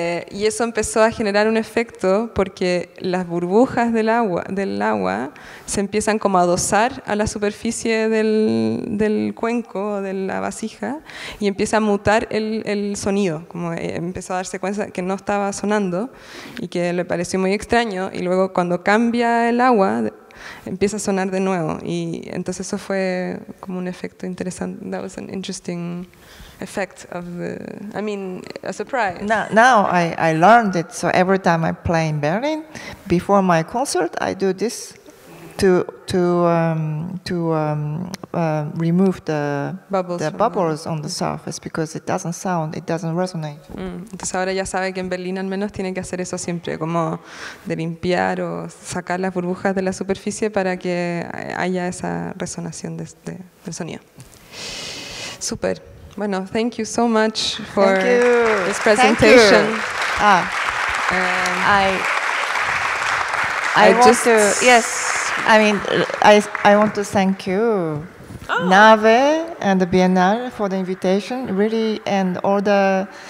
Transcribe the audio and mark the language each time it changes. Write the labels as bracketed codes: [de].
[es] Y eso empezó a generar un efecto porque las burbujas del agua se empiezan como a adosar a la superficie del cuenco, de la vasija, y empieza a mutar el sonido, como empezó a darse cuenta que no estaba sonando y que le pareció muy extraño, y luego cuando cambia el agua empieza a sonar de nuevo, y entonces eso fue como un efecto interesante. [en] That was an interesting effect of the, I mean, a surprise. Now I learned it, so every time I play in Berlin, before my concert, I do this to remove the bubbles on the surface, because it doesn't sound, it doesn't resonate. [es] Entonces ahora ya sabe que en Berlín al menos tiene que hacer eso siempre, como de limpiar o sacar las burbujas de la superficie para que haya esa resonación del sonido. Super. Bueno, [en] thank you so much for this presentation. I want to thank you, Nave and the Biennale, for the invitation, really, and all the